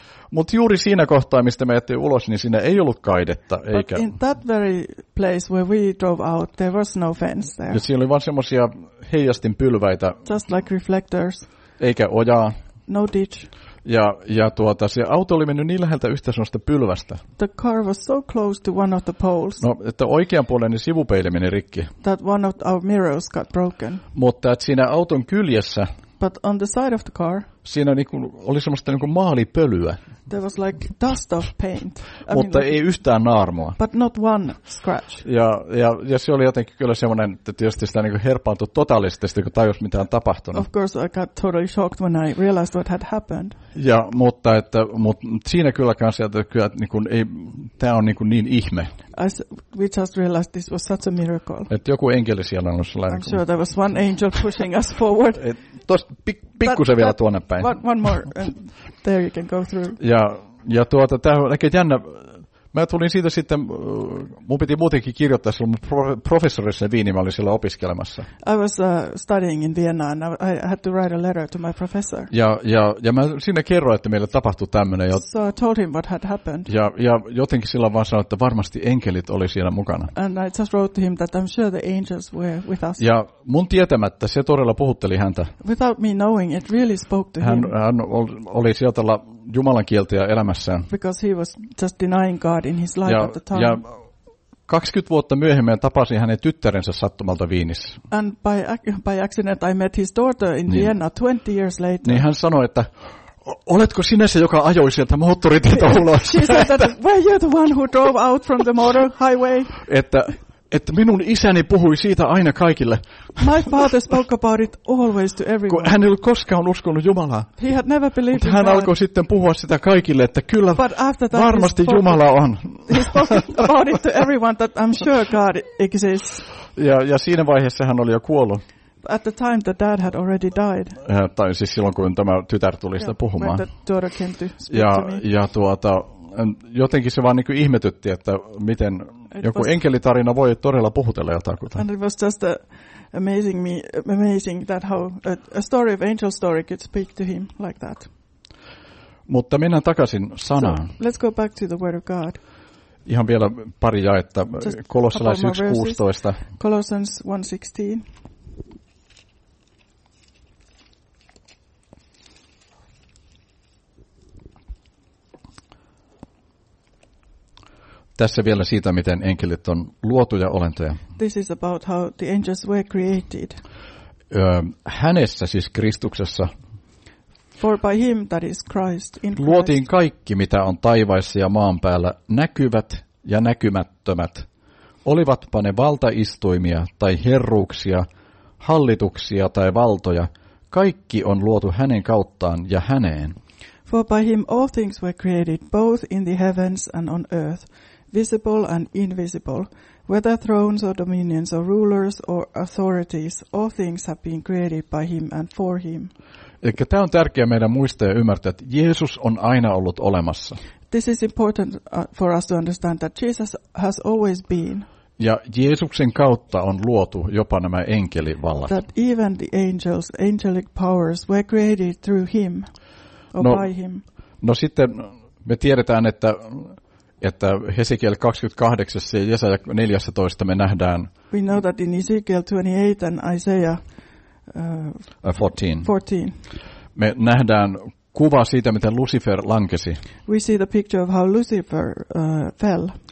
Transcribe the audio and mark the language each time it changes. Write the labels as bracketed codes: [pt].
[fi] Mutta juuri siinä kohtaa, mistä me jättiin ulos, niin siinä ei ollut kaidetta. [en] But [fi] eikä [en] in that very place where we drove out, there was no fence there. [fi] Ja siellä oli vain semmoisia heijastinpylväitä. [en] Just like reflectors. [fi] Eikä ojaa. [en] No ditch. [fi] Ja se auto oli mennyt niin läheltä yhtä semmoista pylvästä. [en] The car was so close to one of the poles. [fi] No, että oikean puolen niin sivupeili meni rikki. [en] That one of our mirrors got broken. [fi] Mutta että siinä auton kyljessä. [en] But on the side of the car. [fi] Siinä niinku oli semmoista niinku maalipölyä. [en] There was like dust of paint. [fi] Mutta ei yhtään naarmua. [en] But not one scratch. [fi] Ja se oli jotenkin kyllä semmoinen, että tietysti sitä niinku herpaantui totaalisesti, kun tajus mitä on tapahtunut. [en] Of course I got totally shocked when I realized what had happened. [fi] Ja mutta siinä kyllä kanssa, että kyllä niinku ei tää on niinku niin ihme. [en] We just realized this was such a miracle. [fi] Että joku enkeli siellä on sellainen. [en] I'm sure there was one angel pushing us forward. [fi] Tuosta pikkusen vielä tuonne päin. [en] One more, and there you can go through. [fi] Ja tämä on oikein jännä. Mä tulin siitä sitten, mun piti muutenkin kirjoittaa sillä mun professorissa Viini, mä olin siellä opiskelemassa. [en] I was studying in Vienna and I had to write a letter to my professor. [fi] Ja mä sinne kerroin, että meille tapahtui tämmöinen. [en] So I told him what had happened. [fi] Ja jotenkin sillä vaan sanoi, että varmasti enkelit oli siinä mukana. [en] And I just wrote to him that I'm sure the angels were with us. [fi] Ja mun tietämättä se todella puhutteli häntä. [en] Without me knowing, it really spoke to him. [fi] Hän oli sieltä Jumalan kieltäjä elämässään. [en] Because he was just denying God in his life at the time. [fi] Ja 20 vuotta myöhemmin tapasin hänen tyttärensä sattumalta Viinissä. [en] And by accident I met his daughter in Vienna 20 years later. [fi] Niin hän sanoi, että oletko sinä se, joka ajoi sieltä moottoritietä ulos? [en] She said that, were you the one who drove out from the motor highway? [fi] Että minun isäni puhui siitä aina kaikille. [en] My father spoke about it always to everyone. [fi] Kun hän ei ollut koskaan uskonut Jumalaa. [en] He had never believed [fi] in hän [en] God. [fi] Alkoi sitten puhua sitä kaikille, että kyllä varmasti Jumala on. [en] He spoke about it to everyone that I'm sure God exists. [fi] Ja siinä vaiheessa hän oli jo kuollut. [en] At the time the dad had already died. [fi] Ja, tai siis silloin, kun tämä tytär tuli sitä puhumaan. [en] When the daughter came to speak [fi] ja, [en] to me. [fi] Ja jotenkin se vaan niin kuin ihmetytti, että miten joku enkelitarina voi todella puhutella jotakuta. [en] And it was just amazing that how a story of angel story could speak to him like that. [fi] Mutta mennään takaisin sanaan. [en] So, let's go back to the word of God. [fi] Ihan vielä pari jaetta. Kolossalaiset 1:16. [en] Colossians 1:16. [fi] Tässä vielä siitä, miten enkelit on luotuja olentoja. [en] This is about how the angels were created. [fi] Hänessä, siis Kristuksessa. [en] For by him, that is Christ, in Christ. [fi] Luotiin kaikki, mitä on taivaissa ja maan päällä, näkyvät ja näkymättömät. Olivatpa ne valtaistuimia tai herruuksia, hallituksia tai valtoja, kaikki on luotu hänen kauttaan ja häneen. [en] For by him all things were created, both in the heavens and on earth. Visible and invisible, whether thrones or dominions or rulers or authorities, all things have been created by him and for him. [fi] Elikkä tämä on tärkeää meidän muistaa ja ymmärtää, että Jeesus on aina ollut olemassa. [en] This is important for us to understand that Jesus has always been. [fi] Ja Jeesuksen kautta on luotu jopa nämä enkelivallat. [en] That even the angels, angelic powers were created through him or no, by him. [fi] No sitten me tiedetään, että Hesekiel 28 ja Jesaja 14 me nähdään. [en] We know that in Ezekiel 28 and Isaiah 14. [fi] Me nähdään kuva siitä, miten Lucifer lankesi. [en] We see the picture of how Lucifer fell.